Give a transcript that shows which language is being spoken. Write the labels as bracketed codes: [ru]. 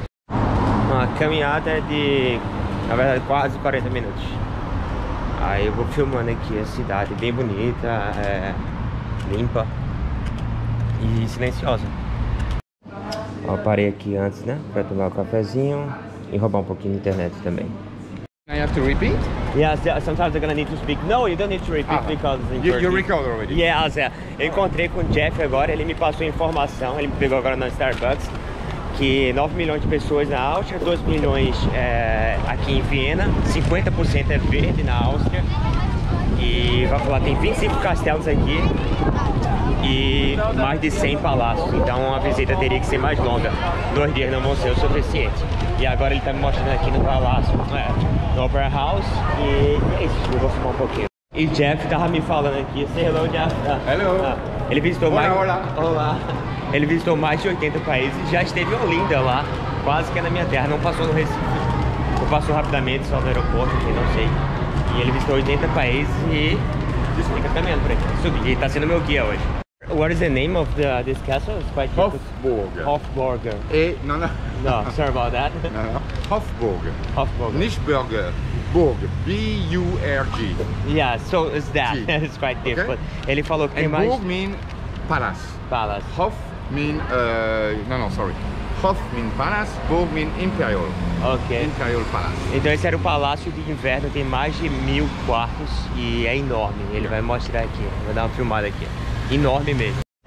[pt] Uma caminhada de, na verdade, quase 40 minutos. Aí eu vou filmando aqui a cidade, bem bonita, limpa e silenciosa. Ó, parei aqui antes, né, para tomar um cafezinho e roubar um pouquinho de internet também. [en] I have to repeat? Yes, sometimes I'm gonna need to speak. No, you don't need to repeat because you recall already. Yes, yeah. [pt] Eu encontrei com o Jeff agora, ele me passou informação, ele me pegou agora no Starbucks, que 9 milhões de pessoas na Áustria, 2 milhões aqui em Viena, 50% é verde na Áustria, e vai falar, tem 25 castelos aqui e mais de 100 palácios, então a visita teria que ser mais longa, 2 dias não vão ser o suficiente. E agora ele tá me mostrando aqui no palácio, no Opera House, e é isso, eu vou filmar um pouquinho. E Jeff tava me falando aqui, [en] say hello, Jeff. Hello. [pt] Ele visitou Olá. Ele visitou mais de 80 países, já esteve em Olinda lá, quase que é na minha terra, não passou no Recife. Ou passou rapidamente, só no aeroporto, enfim, não sei. E ele visitou 80 países e isso fica caminhando por aqui. Subi, ele tá sendo meu guia hoje. [en] What is the name of this castle? It's quite Hofburger. Hofburger. No, sorry about that. No. Hofburger. Hofburger. Nischburger. Burg. B-U-R-G. Yeah, so is that. It's quite different. Okay. [pt] Ele falou que [en] and [pt] tem mais... [en] Burg means palace. Palace. Hof means... sorry. Hof means palace, Burg means imperial. Okay. Imperial palace. [pt] Então esse era o palácio de inverno, tem mais de 1000 quartos e é enorme. Ele vai mostrar aqui, vou dar uma filmada aqui. Enorme mesmo.